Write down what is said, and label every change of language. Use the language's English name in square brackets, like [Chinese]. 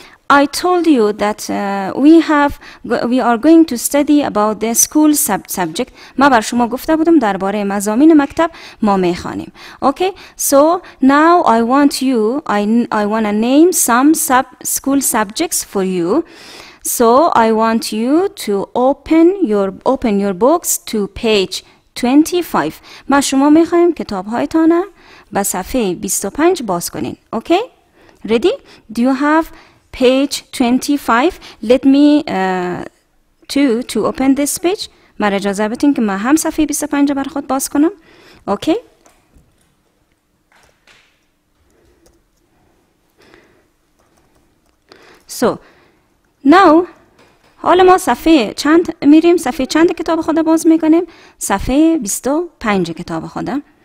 [English] I told you that we are going to study about the school subject. [Persian] ما بر شما گفته بودم درباره مضامین مکتب ما میخوانیم. [English] Okay, so now I want to name some school subjects for you. So I want you to open your books to page 25. [Persian] ما شما میخوایم کتاب هایتان را به صفحه 25 باز کنین. [English] Okay, ready? Do you have page 25, let me to open this page. [Persian] مرا اجازه بدین که ما هم صفحه 25 بر خود باز کنم. [English] Okay, so now [Persian] حالا ما صفحه چند میریم؟ صفحه چند کتاب خود باز میکنیم؟ صفحه 25 کتاب خود.